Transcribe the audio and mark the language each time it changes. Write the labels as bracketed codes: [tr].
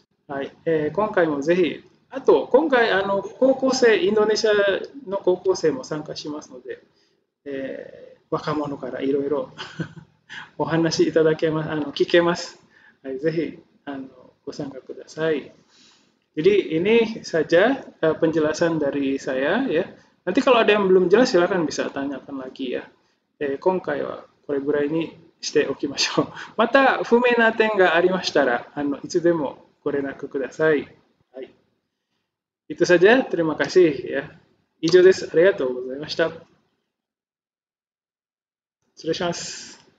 [ja] はい、今回もぜひ、あと今回高校生、インドネシアの高校生も参加しますので、若者からいろいろお話いただけます、聞けます。はい、ぜひご参加ください。 [id] Jadi ini saja penjelasan dari saya ya. Nanti kalau ada yang belum jelas silakan bisa tanyakan lagi ya. [ja] 今回はこれぐらいにしておきましょう。また不明な点がありましたら、いつでもご連絡ください。はい。 [id] Itu saja, terima kasih ya. [ja] 以上です。ありがとうございました。失礼します。